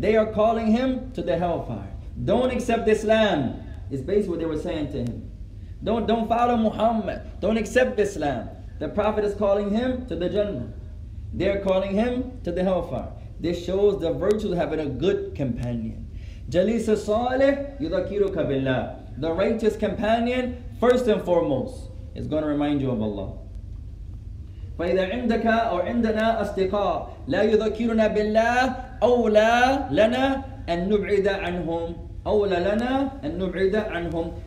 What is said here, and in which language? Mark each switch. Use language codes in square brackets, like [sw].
[en] They are calling him to the hellfire. Don't accept Islam. It's basically what they were saying to him. Don't follow Muhammad. Don't accept Islam. The Prophet is calling him to the Jannah. They are calling him to the hellfire. This shows the virtue of having a good companion. [ar] جليس الصالح يذكرك بالله. [en] The righteous companion, first and foremost, is going to remind you of Allah. [ar] فَإِذَا عِنْدَكَ أَوْ عِنْدَنَا أَصْدِقَى لَا يُذَكِّرُنَا بِاللَّهِ أَوْلَى لَنَا أَنْ نُبْعِدَ عَنْهُمْ أَوْلَى لَنَا أَنْ نُبْعِدَ عَنْهُمْ.